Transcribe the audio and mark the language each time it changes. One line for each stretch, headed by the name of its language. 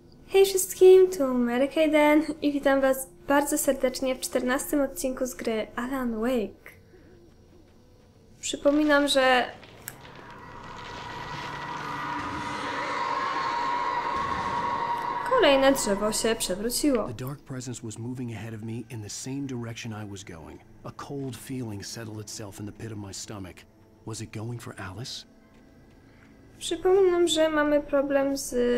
Polish: Hej wszystkim, tu Mary Kayden i witam was bardzo serdecznie w 14 odcinku z gry Alan Wake. Przypominam, że... kolejne drzewo się przewróciło.
English: The dark presence was moving ahead of me in the same direction I was going. A cold feeling settled itself in the pit of my stomach. Was it going for Alice?
Polish: Przypominam, że mamy problem z...